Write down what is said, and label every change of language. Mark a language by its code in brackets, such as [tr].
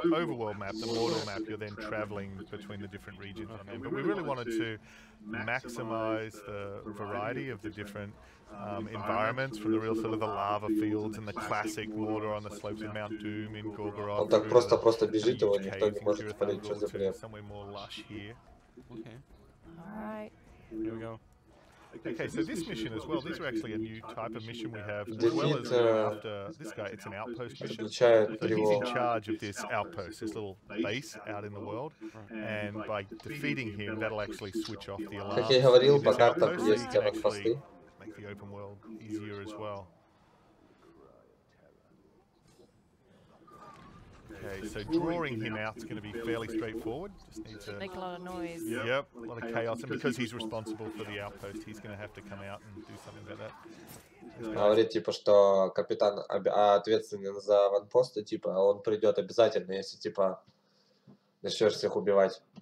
[en] Overworld map, the mortal map, you're then traveling between the different regions. On them. But we really wanted to maximize the variety of the different... environments from the real sort of the lava fields and the classic water on the slopes of Mount Doom in Gorgoroth. [ru] Он так просто бежит его, никто не может понять, что за бред. [en] Somewhere more lush here. Okay. All right. Here we go. Okay, so this mission as well, these are actually a new type of mission we have. As well as after this guy, it's an outpost mission. So he's in charge of this outpost, this little base out in the world. And by defeating him, that'll actually switch off the alarm. [ru] Как я говорил, по картам есть аутпосты. [en] Make the open world easier as well. Okay, so drawing him out is going to be fairly straightforward. Just need to make a lot of noise. Yep, a lot of chaos. And because he's responsible for the outpost, he's going to have to come out and do something about that. [ru] Говорит, типа, что капитан ответственен за аванпосты, типа, он придет обязательно, если, типа, начнешь всех убивать.